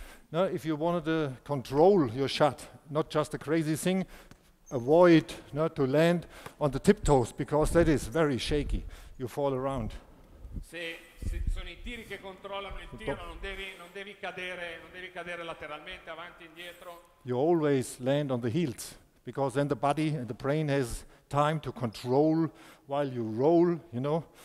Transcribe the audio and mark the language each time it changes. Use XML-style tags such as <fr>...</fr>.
<en>No, if you wanted to control your shot, not just a crazy thing, avoid not to land on the tiptoes because that is very shaky. You fall around.</en> <it>Se sono I tiri che controllano il tiro, non devi cadere lateralmente, avanti, indietro.</it> <en>You always land on the heels because then the body and the brain has time to control while you roll, you know.</en>